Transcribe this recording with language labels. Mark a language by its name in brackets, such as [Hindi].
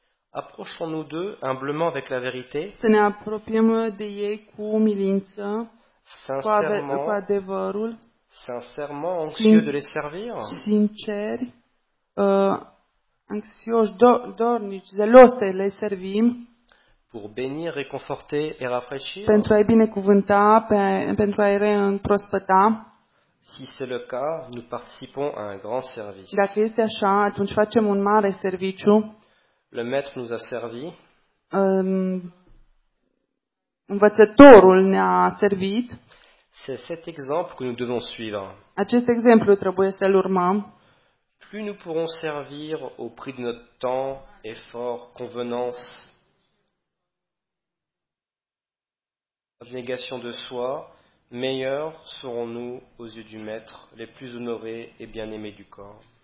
[French] Approchons-nous d'eux humblement avec la vérité? [Romanian] Să ne apropiem de ei cu umilință, cu adevărul. [French] Sincèrement anxieux de les servir? [Romanian] Sinceri. Anxioși, dornici, zeloși să le servim. [French] Pour bénir, réconforter et rafraîchir. [Romanian] Pentru a-i binecuvânta, pentru a-i reîmprospăta. [French] Si c'est le cas, nous participons à un grand service. [Romanian] Dacă este așa, atunci facem un mare serviciu. [French] Le maître nous a servi. [Romanian] Învățătorul ne-a servit. [French] C'est cet exemple que nous devons suivre. [Romanian] Acest exemplu trebuie să-l urmăm. [French] Plus nous pourrons servir au prix de notre temps, effort, convenance, abnégation de soi, meilleurs serons-nous aux yeux du Maître, les plus honorés et bien-aimés du corps.